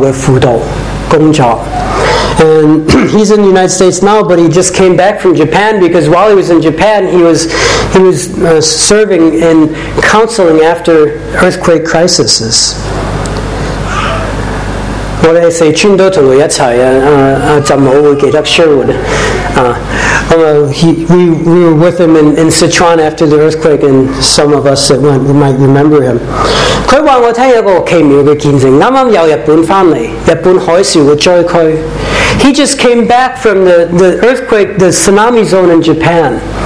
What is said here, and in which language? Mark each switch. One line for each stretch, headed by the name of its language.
English: And he's in the United States now, but he just came back from Japan because while he was in Japan, he was serving in counseling after earthquake crises. What I say,
Cantonese: 全都同我一齊啊！怎麼會記得Sherwood?
English: We were with him in Sichuan after the earthquake, and some of us that went, you might remember him.
Cantonese: 他話我聽有個奇妙嘅見證，啱啱由日本翻嚟，日本海嘯嘅災區。
English: He just came back from the earthquake, the tsunami zone in Japan.